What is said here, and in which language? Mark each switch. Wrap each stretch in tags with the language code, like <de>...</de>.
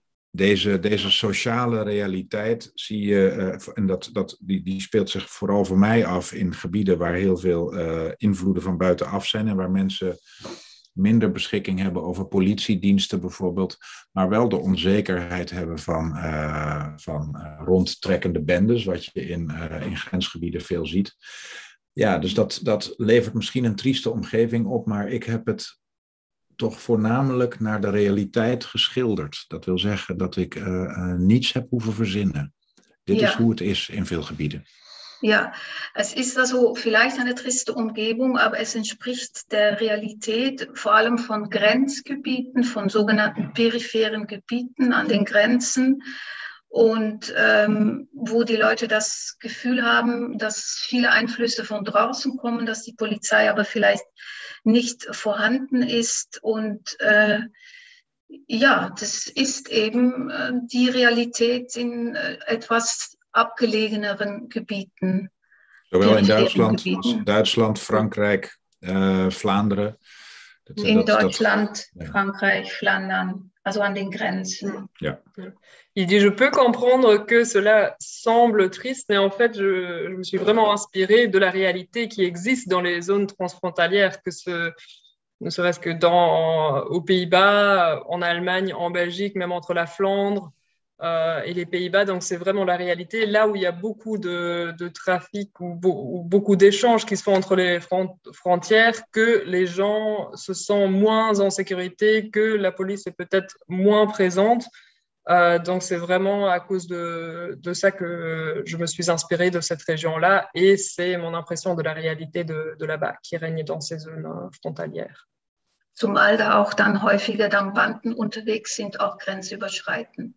<nl>Deze sociale realiteit zie je, en die speelt zich vooral voor mij af in gebieden waar heel veel invloeden van buitenaf zijn en waar mensen minder beschikking hebben over politiediensten bijvoorbeeld, maar wel de onzekerheid hebben van rondtrekkende bendes, wat je in grensgebieden veel ziet. Ja, dus dat levert misschien een trieste omgeving op, maar ik heb het toch voornamelijk naar de realiteit geschilderd. Dat wil zeggen dat ik niets heb hoeven verzinnen. Dit is hoe het is in veel gebieden.</nl> <de>Ja, es ist also vielleicht eine triste Umgebung, aber es entspricht der Realität vor allem von Grenzgebieten, von sogenannten peripheren Gebieten an den Grenzen und wo die Leute das Gefühl haben, dass viele Einflüsse von draußen kommen, dass die Polizei aber vielleicht nicht vorhanden ist und das ist eben die Realität in etwas abgelegeneren Gebieten.</de> <nl>Zowel in Duitsland, Duitsland, Frankrijk, Vlaanderen. In Duitsland, Frankrijk, Vlaanderen,</nl> <de>also an den Grenzen. Ja.</de> <fr>Il dit, je peux comprendre que cela semble triste, mais en fait, je me suis vraiment inspirée de la réalité qui existe dans les zones transfrontalières, que ce ne serait-ce que aux Pays-Bas, en Allemagne, en Belgique, même entre la Flandre et les Pays-Bas, donc c'est vraiment la réalité. Là où il y a beaucoup de trafic ou beaucoup d'échanges qui se font entre les frontières, que les gens se sentent moins en sécurité, que la police est peut-être moins présente. Donc c'est vraiment à cause de ça que je me suis inspirée de cette région-là et c'est mon impression de la réalité de là-bas qui règne dans ces zones frontalières.</fr> <de>Zumal da auch dann häufiger dann Banden unterwegs sind, auch grenzüberschreitend.</de>